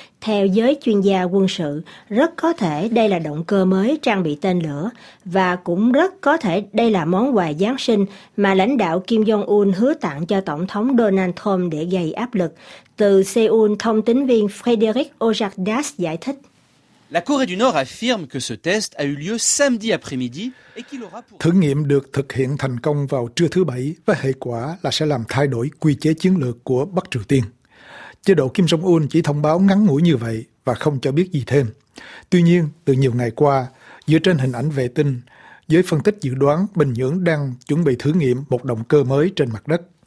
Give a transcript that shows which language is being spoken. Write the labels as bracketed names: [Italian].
[Vietnamese] Theo giới chuyên gia quân sự, rất có thể đây là động cơ mới trang bị tên lửa và cũng rất có thể đây là món quà Giáng sinh mà lãnh đạo Kim Jong-un hứa tặng cho Tổng thống Donald Trump để gây áp lực. Từ Seoul, thông tín viên Frédéric Ojardas giải thích. [French] La Corée du Nord affirme que ce test a eu lieu samedi après-midi et qu'il aura pour [Vietnamese] thử nghiệm được thực hiện thành công vào trưa thứ bảy với hệ quả là sẽ làm thay đổi quy chế chiến lược của Bắc Triều Tiên. Chế độ Kim Jong Un chỉ thông báo ngắn ngủi như vậy và không cho biết gì thêm. Tuy nhiên, từ nhiều ngày qua, dựa trên hình ảnh vệ tinh, giới phân tích dự đoán Bình Nhưỡng đang chuẩn bị thử nghiệm một động cơ mới trên mặt đất.